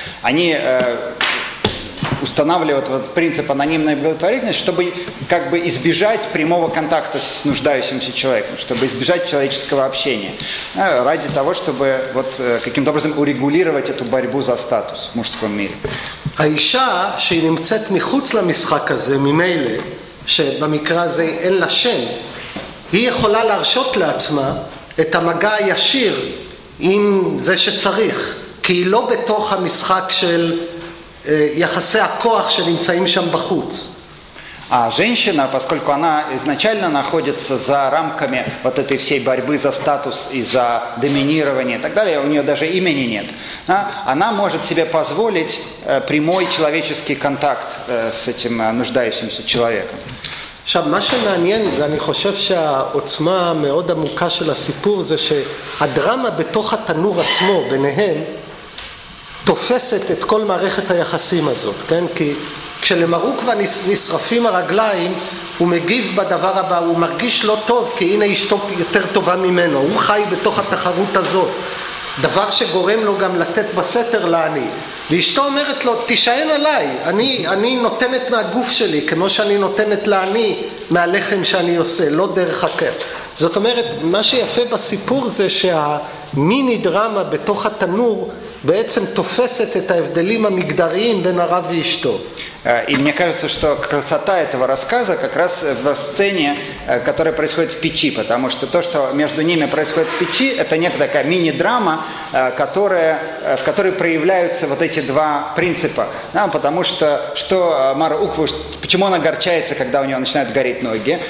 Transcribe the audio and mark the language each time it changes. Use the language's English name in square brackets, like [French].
[Russian] Они устанавливают вот принцип анонимной благотворительности, чтобы как бы избежать прямого контакта с нуждающимся человеком, чтобы избежать человеческого общения, ради того, чтобы вот каким-то образом урегулировать эту борьбу за статус в мужском мире. [Hebrew] האישה שנמצאת מחוץ למשחק הזה, ממילא, שבמקרה הזה אין לה שם, היא יכולה להרשות לעצמה את המגע הישיר עם זה שצריך, כי היא לא בתוך המשחק של יחסי הכוח שנמצאים שם בחוץ. А женщина, поскольку она изначально находится за рамками вот этой всей борьбы за статус и за доминирование и так далее, у нее даже имени нет, да, она может себе позволить прямой человеческий контакт с этим нуждающимся человеком. עכשיו, מה שמעניין, ואני חושב שהעוצמה מאוד עמוקה של הסיפור זה שהדרמה בתוך התנור עצמו ביניהם תופסת את כל מערכת היחסים הזאת, כן? כי כשלמרוקווה נשרפים הרגליים, הוא מגיב בדבר הבא, הוא מרגיש לא טוב, כי הנה אשתו יותר טובה ממנו, הוא חי בתוך התחרות הזאת, דבר שגורם לו גם לתת בסתר לעני, ואשתו אומרת לו, תישען עליי, אני נותנת מהגוף שלי, כמו שאני נותנת לעני מהלחם שאני עושה, לא דרך הכר. זאת אומרת, מה שיפה בסיפור זה שהמיני דרמה בתוך התנור, בעצם תופסת את ההבדלים המגדריים בין הרב ואשתו. [Russian] И мне кажется, что красота этого рассказа как раз в сцене, которая происходит в печи, потому что то, что между ними происходит в печи, это некая такая мини-драма, в которой проявляются вот эти два принципа. Да, потому что, что Мара Ухва, почему он огорчается, когда у него начинают гореть ноги?